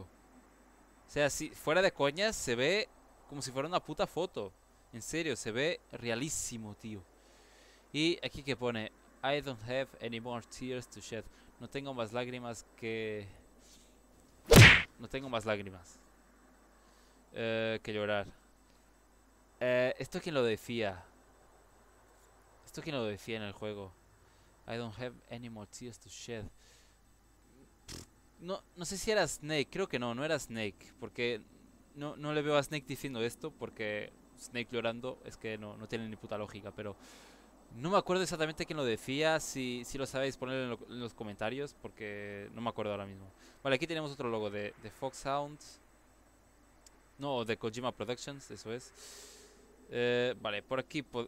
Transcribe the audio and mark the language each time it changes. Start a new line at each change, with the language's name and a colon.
Spanish: O sea, si fuera de coñas, se ve como si fuera una puta foto. En serio, se ve realísimo, tío. Y aquí que pone:
English: I don't have any more tears to shed.
Spanish: No tengo más lágrimas que... No tengo más lágrimas que llorar. ¿Esto quién lo decía en el juego?
English: I don't have any more tears to shed.
Spanish: No sé si era Snake, creo que no era Snake. Porque no le veo a Snake diciendo esto, porque Snake llorando es que no tiene ni puta lógica. Pero no me acuerdo exactamente quién lo decía. Si lo sabéis, ponedlo en los comentarios, porque no me acuerdo ahora mismo. Vale, aquí tenemos otro logo de Foxhound. No, de Kojima Productions, eso es. Vale, por aquí.